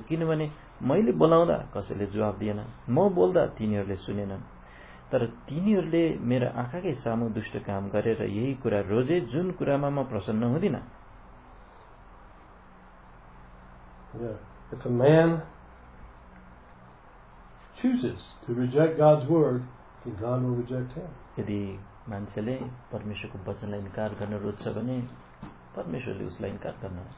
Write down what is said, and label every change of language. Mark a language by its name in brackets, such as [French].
[Nepali] किनभने मैले बोलाउँदा कसैले जवाब दिएन, म बोल्दा तिनीहरूले सुनेनन्. तर तिनीहरूले मेरो आँखाकै सामु दुष्ट काम गरेर यही कुरा रोजे जुन कुरामा म प्रसन्न हुँदिन. [English] If a man chooses to reject God's word, then God will reject him. [Nepali] यदि मान्छेले परमेश्वरको वचनलाई इन्कार गर्न रोज्छ भने परमेश्वरले उसलाई इन्कार गर्न